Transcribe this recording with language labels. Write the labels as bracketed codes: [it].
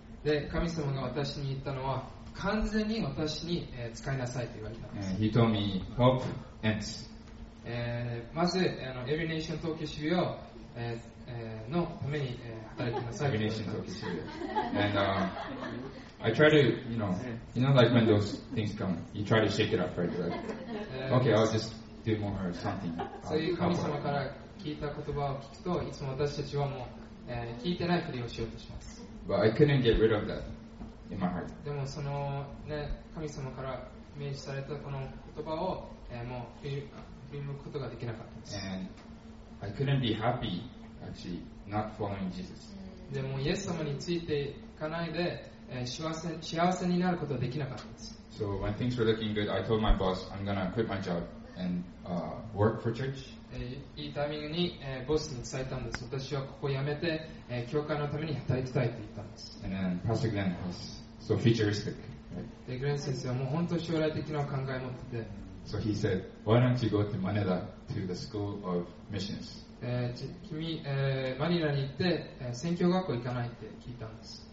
[ja] で、神様が私に言ったのは、完全に私に、使いなさいと言われたんです。 [en] He told me, help ends. [ja] まず、Every Nation Tokyo Shibuya のために、働いてなさい。 [en] Every Nation Tokyo Shibuya. And I try to, you know, like when those things come, you try to shake it up, right? Like, okay, I'll just do more or something. [ja] そういう神様から聞いた言葉を聞くと、いつも私たちはもう、聞いてないふりをしようとします。 [en] But I couldn't get rid of that in my heart. [ja] でもそのね、神様から命じされたこの言葉を、もう振り向くことができなかったんです。 [en] And I couldn't be happy actually not following Jesus. [ja] でもイエス様についていかないで、幸せになることはできなかったんです。 [en] So when things were looking good, I told my boss I'm gonna quit my job and work for church. [ja] いいタイミングに、ボスに伝えたんです。私はここを辞めて、教会のために働きたいと言ったんです。 [en] And then Pastor Glenn was so futuristic, right? [ja] で、グレン先生はもう本当に将来的な考えを持ってて。 [en] So he said, why don't you go to Manila to the School of Missions? [ja] 君、マニラに行って、宣教学校行かないって聞いたんです。